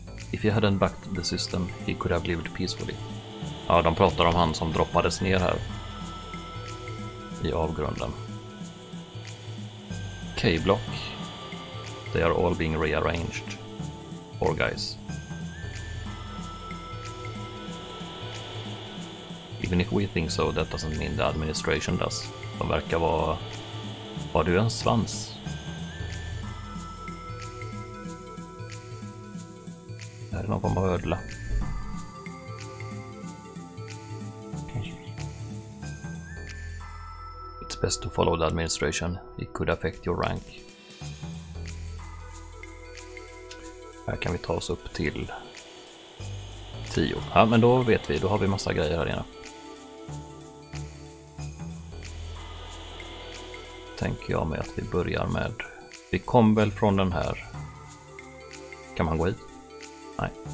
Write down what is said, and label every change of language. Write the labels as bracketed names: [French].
[English] If he hadn't backed the system, he could have lived peacefully. [Swedish] Ja, de pratar om han som droppades ner här. I avgrunden. K-block. [English] They are all being rearranged. Poor guys. Even if we think so, that doesn't mean the administration does. [Swedish] De verkar vara... Var du en svans? Någon form av ödla. [English] It's best to follow the administration. It could affect your rank. [Swedish] Här kan vi ta oss upp till 10. Ja, men då vet vi. Då har vi massa grejer här inne. Tänker jag med att vi börjar med... Vi kom väl från den här... Kan man gå hit? Nej.